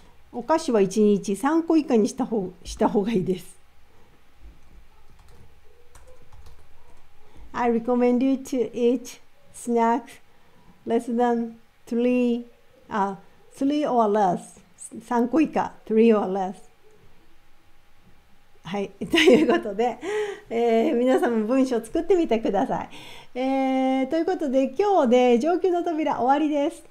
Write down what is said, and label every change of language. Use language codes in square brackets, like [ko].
[ja] お菓子は1日3個以下にした方がいいです。 [en] I recommend you to eat snacks less than three or less. [ja] 3個以下、 [en] 3 or less。 [ja] はい、ということで、皆さんも文章を作ってみてください。ということで、今日で上級の扉終わりです。